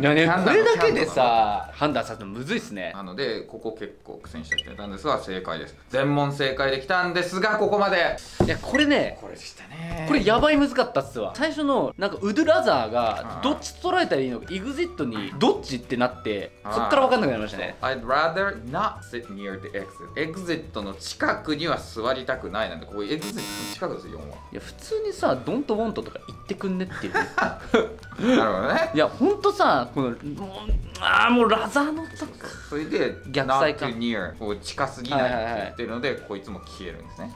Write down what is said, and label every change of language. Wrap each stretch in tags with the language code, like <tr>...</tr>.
<ja>いやね、これだけでさ、判断させてもむずいっすね。なので、ここ結構苦戦した人いたんですが、正解です。全問正解。解できたんですがここまで。いやこれね、これでしたね。これやばい難かったっすわ。最初のなんかウドラザーがどっち捉えたらいいのか、イグジットにどっちってなって、そっから分かんなくなりましたね。</ja> <en>I'd rather not sit near the exit。</en> <ja>エグジットの近くには座りたくないなんで、ここエグジットの近くですよ4は。いや普通にさ、ドントウォントとか言ってくんねっていう。なるほどね。いやほんとさ、このあーもうラザーのとか、それで逆サイか</ja> <en>not near、</en> <ja>こう近すぎないって言ってるので、はいはいはい、こいつも消えるんですね。</ja>